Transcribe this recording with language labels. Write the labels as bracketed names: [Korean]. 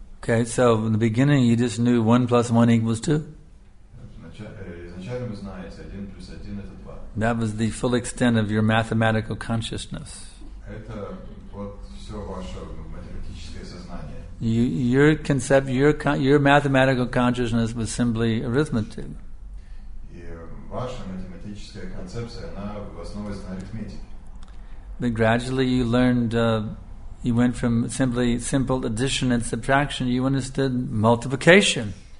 [English] Okay, so in the beginning you just knew 1 + 1 = 2. [Russian] Изначально вы знаете, 1 + 1 это 2. [English] That was the full extent of your mathematical consciousness. [Russian] Это вот все ваше математическое сознание. [English] Your mathematical consciousness was simply arithmetic. [Russian] И ваша математическая концепция, она основывалась на арифметике. [English] But gradually you learned, you went from simple addition and subtraction, you understood multiplication.